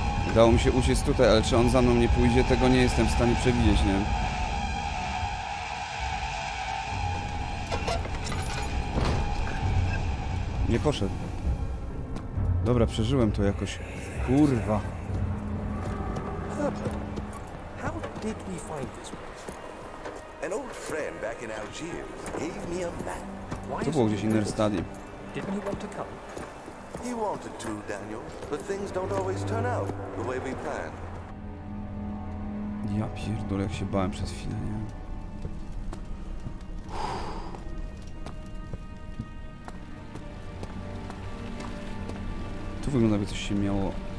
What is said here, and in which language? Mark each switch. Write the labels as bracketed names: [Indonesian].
[Polish] Udało mi się uciec tutaj, ale czy on za mną nie pójdzie, tego nie jestem w stanie przewidzieć, nie? Nie poszedł. Dobra, przeżyłem to jakoś. Kurwa. [English] How did we find this place? An old friend back in Algiers gave me a map. [Polish] To było gdzieś [English] inner study. Didn't he want to come? He wanted to, Daniel, but things don't always turn out the way we plan. [Polish] Ja pierdolę, jak się bałem przez chwilę, nie? Tu wygląda, jakby coś się miało.